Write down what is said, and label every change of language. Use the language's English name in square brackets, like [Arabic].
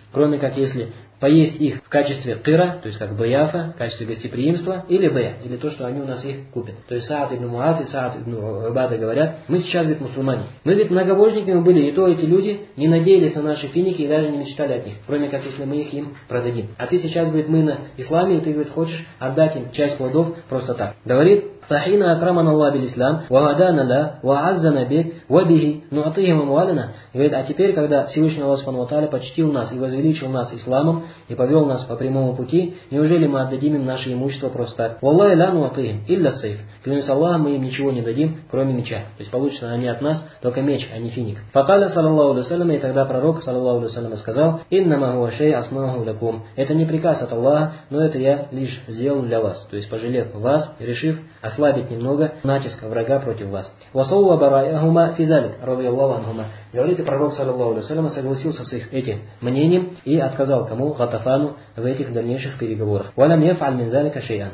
[Russian] Кроме как если поесть их в качестве кыра, то есть как баяфа, в качестве гостеприимства, или бая, или то, что они у нас их купят. То есть Саад ибн Муаз и Саад ибн Убада говорят, мы сейчас, говорит, мусульмане. Мы, говорит, многобожниками были, и то эти люди не надеялись на наши финики и даже не мечтали от них, кроме как если мы их им продадим. А ты сейчас, говорит, мы на исламе, и ты, говорит, хочешь отдать им часть плодов просто так. Говорит, [Arabic] فحين أكرمنا الله بالإسلام وهدانا له وعزنا به وبه نعطيهم أموالنا. [Russian] Говорит, а теперь, когда Всевышний Аллах субхана ва тааля почтил нас и возвеличил нас исламом и повел нас по прямому пути, неужели мы отдадим им наше имущество просто так? [Arabic] والله لا نعطيهم إلا السيف. [Russian] Клянусь Аллахом, мы им ничего не дадим, кроме меча. То есть получено они от нас только меч, а не финик. [Arabic] فقال صلى الله عليه وسلم. [Russian] И тогда пророк [Arabic] صلى الله عليه وسلم [Russian] сказал: [Arabic] إنما هو شيء أصنعه لكم. [Russian] Это не приказ от Аллаха, но это я лишь сделал для вас, то есть пожалев вас, решив ослабить немного натиска врага против вас. [Arabic] Васаллаху бараяхума физалик радиаллаху анхума. [Russian] Говорит, и пророк, саллаллаху алейхи ва саллям, согласился с их этим мнением и отказал кому? Гатафану в этих дальнейших переговорах. [Arabic] Валям яфаль мин залика шайан.